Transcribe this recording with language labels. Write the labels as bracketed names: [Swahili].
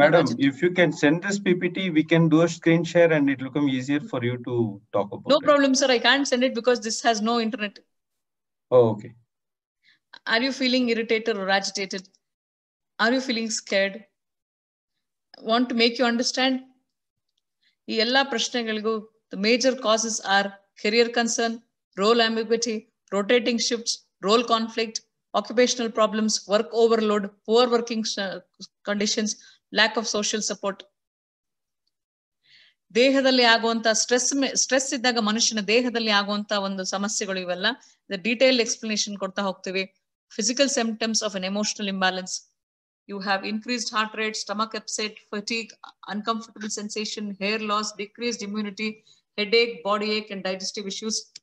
[English] Madam, if you can send this PPT, we can do a screen share and it will come easier for you to talk about. No problem sir, I can't send it because this has no internet. Okay. Are you feeling irritated or agitated? Are you feeling scared? Want to make you understand? [Kannada] Ella prashnegaligu, [English] the major causes are career concern, role ambiguity, rotating shifts, role conflict, occupational problems, work overload, poor working conditions, lack of social support. [Kannada] ದೇಹದಲ್ಲಿ ಆಗುವಂತಹ stress ಇದ್ದಾಗ ಮನುಷ್ಯನ ದೇಹದಲ್ಲಿ ಆಗುವಂತಹ ಒಂದು ಸಮಸ್ಯೆಗಳು ಇವೆಲ್ಲ detail explanation ಕೊಡ್ತಾ ಹೋಗ್ತೀವಿ. [English] Physical symptoms of an emotional imbalance, you have increased heart rate, stomach upset, fatigue, uncomfortable sensation, hair loss, decreased immunity, headache, body ache and digestive issues.